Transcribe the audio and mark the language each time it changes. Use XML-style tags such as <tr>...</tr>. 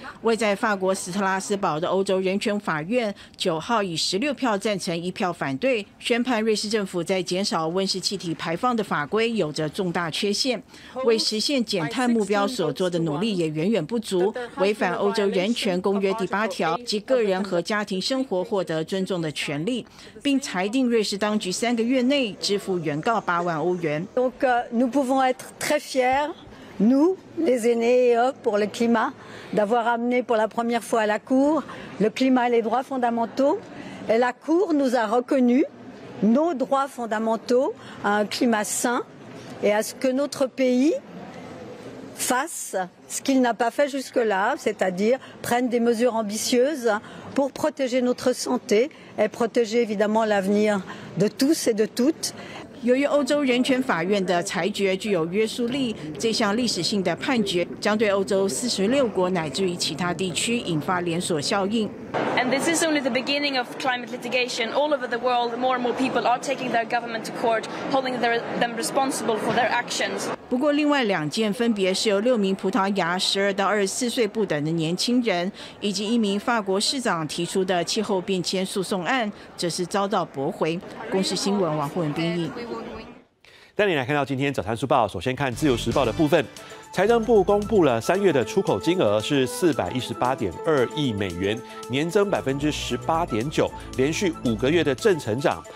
<zh>位在法国斯特拉斯堡的欧洲人权法院9号以16票赞成1票反对宣判，瑞士政府在减少温室气体排放的法规有着重大缺陷，为实现减碳目标所做的努力也远远不足，违反欧洲人权公约第8条及个人和家庭生活获得尊重的权利，并裁定瑞士当局三个月内支付原告8万欧元。</zh> <fr>Donc nous pouvons être très fiers nous les aînés et hommes pour le climat d'avoir amené pour la première fois à la cour le climat et les droits fondamentaux et la cour nous a reconnu nos droits fondamentaux à un climat sain et à ce que notre pays fasse ce qu'il n'a pas fait jusque-là, c'est-à-dire prenne des mesures ambitieuses pour protéger notre santé et protéger évidemment l'avenir de tous et de toutes。</fr> <zh>由于欧洲人权法院的裁决具有约束力，这项历史性的判决将对欧洲46国乃至于其他地区引发连锁效应。</zh> <en>And this is only the beginning of climate litigation. All over the world, more and more people are taking their government to court, holding them responsible for their actions.</en> <zh>不过，另外两件分别是由六名葡萄牙12到24岁不等的年轻人，以及一名法国市长提出的气候变迁诉讼案，则是遭到驳回。公视新闻王慧文编译。带你来看到今天早餐书报，首先看自由时报的部分。财政部公布了三月的出口金额是418.2亿美元，年增18.9%，连续5个月的正成长。</zh>